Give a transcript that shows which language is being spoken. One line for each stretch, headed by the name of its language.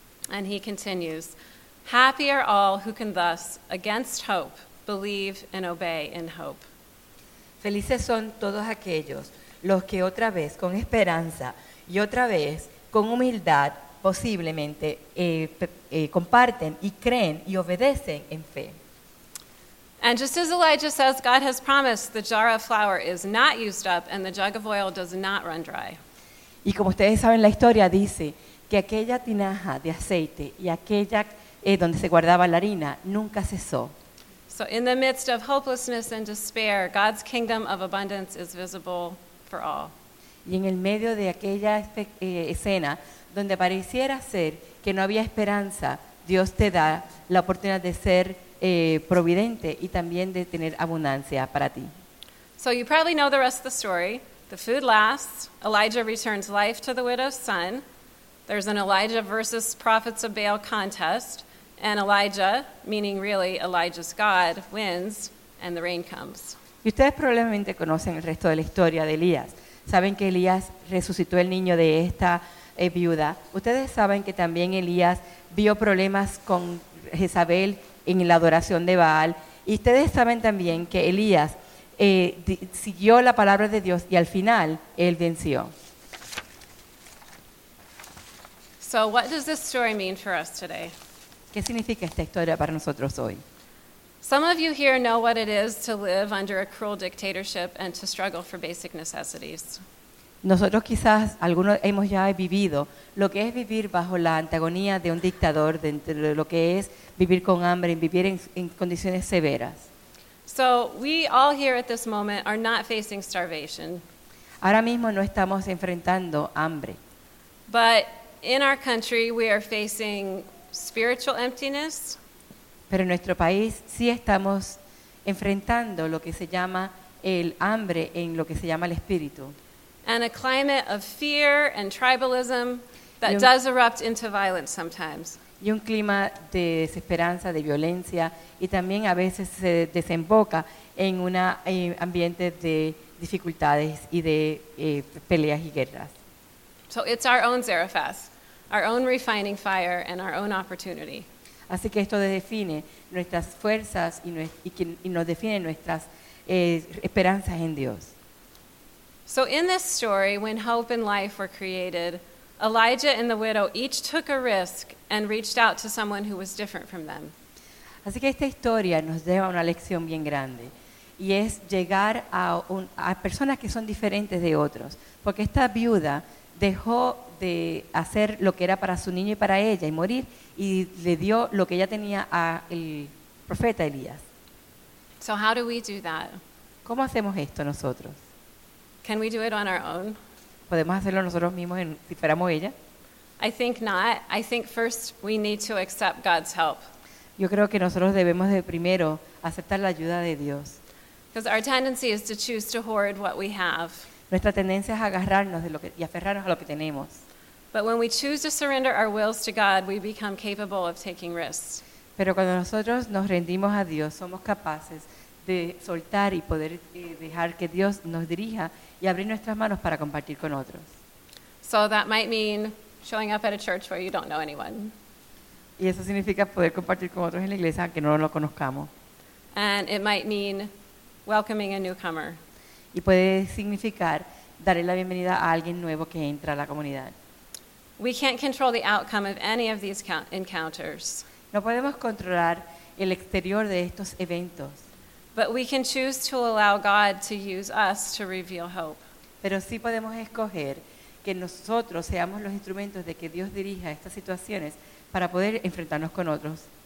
English: And he continues, happy are all who can thus, against hope, believe and obey in hope.
Spanish: Felices son todos aquellos los que otra vez con esperanza y otra vez con humildad posiblemente comparten y creen y obedecen en fe.
English: And just as Elijah says, God has promised, the jar of flour is not used up and the jug of oil does not run dry.
Spanish: Y como ustedes saben, la historia dice que aquella tinaja de aceite y aquella donde se guardaba la harina nunca cesó.
English: So in the midst of hopelessness and despair, God's kingdom of abundance is visible for all.
Spanish: Y en el medio de aquella escena donde pareciera ser que no había esperanza, Dios te da la oportunidad de ser providente y también de tener abundancia para ti.
English: So you probably know the rest of the story. The food lasts. Elijah returns life to the widow's son. There's an Elijah versus prophets of Baal contest. And Elijah, meaning really Elijah's God, wins and the rain comes.
Spanish: Y ustedes probablemente conocen el resto de la historia de Elías. Saben que Elías resucitó el niño de esta viuda. Ustedes saben que también Elías vio problemas con Jezabel en la adoración de Baal. Y ustedes saben también que Elías siguió la palabra de Dios y al final él venció.
English: So what does this story mean for us today?
Spanish: ¿Qué significa esta historia para nosotros hoy?
English: Some of you here know what it is to live under a cruel dictatorship and to struggle for basic necessities.
Spanish: Nosotros quizás algunos hemos ya vivido lo que es vivir bajo la antagonía de un dictador, dentro de lo que es vivir con hambre y vivir en condiciones severas.
English: So we all here at this moment are not facing starvation.
Spanish: Ahora mismo no estamos enfrentando hambre.
English: But in our country we are facing spiritual emptiness.
Spanish: Pero en nuestro país sí estamos enfrentando lo que se llama el hambre en lo que se llama el espíritu.
English: And a climate of fear and tribalism that does erupt into violence sometimes.
Spanish: Y un clima de desesperanza, de violencia, y también a veces se desemboca en un ambiente de dificultades y de peleas y guerras.
English: So it's our own Zarephath, our own refining fire and our own opportunity.
Spanish: Así que esto define nuestras fuerzas y nos define nuestras esperanzas en Dios.
English: So in this story, when hope and life were created, Elijah and the widow each took a risk and reached out to someone who was different from them.
Spanish: Así que esta historia nos deja una lección bien grande y es llegar a personas que son diferentes de otros, porque esta viuda dejó de hacer lo que era para su niño y para ella y morir y le dio lo que ella tenía a el profeta Elías.
English: So how do we do that?
Spanish: ¿Cómo hacemos esto nosotros?
English: Can we do it on our own?
Spanish: ¿Podemos hacerlo nosotros mismos si fuéramos ella?
English: I think not. I think first we need to accept God's help.
Spanish: Yo creo que nosotros debemos de primero aceptar la ayuda de Dios.
English: Because our tendency is to choose to hoard what we have.
Spanish: Nuestra tendencia es agarrarnos de lo que, y aferrarnos a lo que tenemos.
English: But when we choose to surrender our wills to God, we become capable of taking risks.
Spanish: Pero cuando nosotros nos rendimos a Dios, somos capaces de soltar y poder dejar que Dios nos dirija y abrir nuestras manos para compartir con otros.
English: So that might mean showing up at a church where you don't know anyone.
Spanish: Y eso significa poder compartir con otros en la iglesia aunque no lo conozcamos.
English: And it might mean welcoming a newcomer.
Spanish: Y puede significar darle la bienvenida a alguien nuevo que entra a la comunidad.
English: We can't control the outcome of any of these encounters.
Spanish: No podemos controlar el exterior de estos eventos.
English: But we can choose to allow God to use us to reveal hope.
Spanish: Pero sí podemos escoger que nosotros seamos los instrumentos de que Dios dirija estas situaciones para poder enfrentarnos con otros.